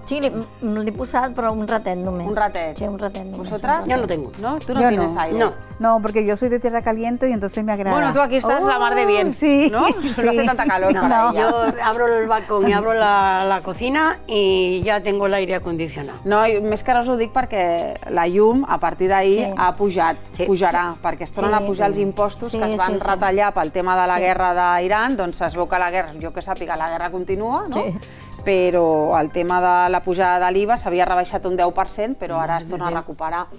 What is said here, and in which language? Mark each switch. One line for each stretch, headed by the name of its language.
Catalan: Sí, l'he posat, però un ratet només. Un ratet? Sí, un ratet només.
Spanish: Vosotras? Jo no tengo. No? Tu no tienes aire? No. No, porque yo soy de tierra caliente y entonces me agrada. Bueno, tú aquí estás la mar de bien, sí, ¿no? Sí. No hace tanta calor para ella. Yo abro el balcón y abro la cocina y ya tengo el aire acondicionado.
Catalan: No, més que res ho dic perquè la llum a partir d'ahir ha pujat, pujarà, perquè es tornen a pujar els impostos que es van retallar pel tema de la guerra d'Iran, doncs es veu que la guerra, jo que sàpiga, la guerra continua, no? Però el tema de la pujada de l'IVA s'havia rebaixat un 10%, però ara es torna a recuperar.